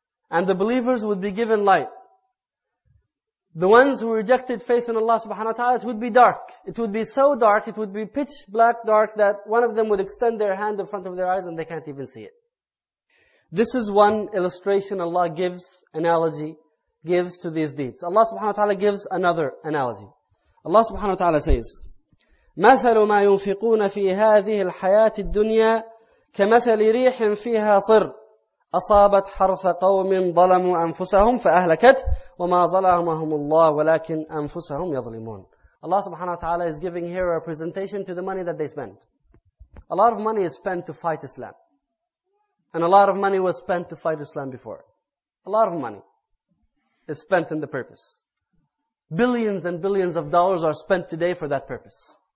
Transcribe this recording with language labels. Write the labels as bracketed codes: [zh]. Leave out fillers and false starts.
[en] And the believers would be given light. The ones who rejected faith in Allah subhanahu wa ta'ala, it would be dark. It would be so dark, it would be pitch black dark that one of them would extend their hand in front of their eyes and they can't even see it. This is one illustration Allah gives, analogy, gives to these deeds. Allah subhanahu wa ta'ala gives another analogy. Allah subhanahu wa ta'ala says, [ar] مَثَلُ مَا يُنْفِقُونَ فِي هَذِهِ الْحَيَاةِ الدُّنْيَا كَمَثَلِ رِيحٍ فِيهَا صِرٍ أصابت حرث قوم ظلموا أنفسهم فأهلكت وما ظلمهم الله ولكن أنفسهم يظلمون. [en] Allah subhanahu wa ta'ala is giving here a presentation to the money that they spend. A lot of money is spent to fight Islam. And a lot of money was spent to fight Islam before. A lot of money is spent in the purpose. Billions and billions of dollars are spent today for that purpose.